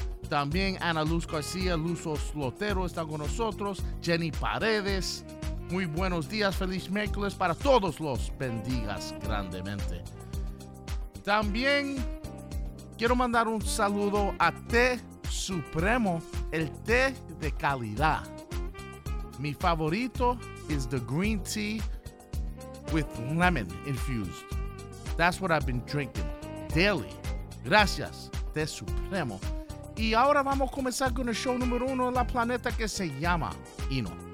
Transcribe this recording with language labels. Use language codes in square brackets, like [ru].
[es] También Ana Luz García, Luz Oslotero está con nosotros. Jenny Paredes. Muy buenos días, feliz miércoles para todos los bendigas grandemente. También quiero mandar un saludo a Té Supremo, el té de calidad. Mi favorito [en] is the green tea with lemon infused. That's what I've been drinking daily. [es] Gracias, [en] Té Supremo. [es] Y ahora vamos a comenzar con el show número uno en la planeta que se llama Hino.